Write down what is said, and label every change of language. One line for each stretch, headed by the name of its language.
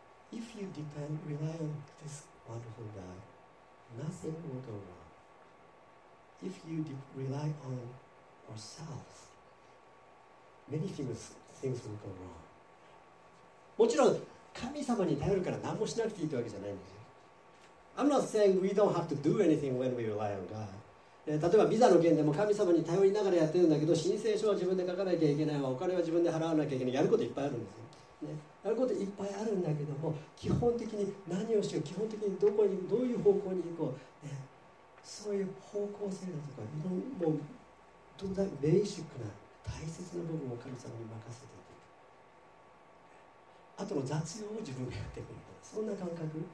English: If you depend, rely on this wonderful God, nothing will go wrong. If you rely on yourself, many things will go wrong.
Japanese: もちろん神様に頼るから何もしなくていいというわけじゃないんですよ。
English: I'm not saying we don't have to do anything when we rely on God.
Japanese: 例えばビザの件でも神様に頼りながらやってるんだけど、申請書は自分で書かなきゃいけないわ、お金は自分で払わなきゃいけない、やることいっぱいあるんですよ、ね、やることいっぱいあるんだけども、基本的に何をしよう、基本的にどこにどういう方向に行こう、ね、そういう方向性だとか、もうどんなベーシックな大切な部分を神様に任せていく、あとの雑用を自分がやってくる、そんな感覚。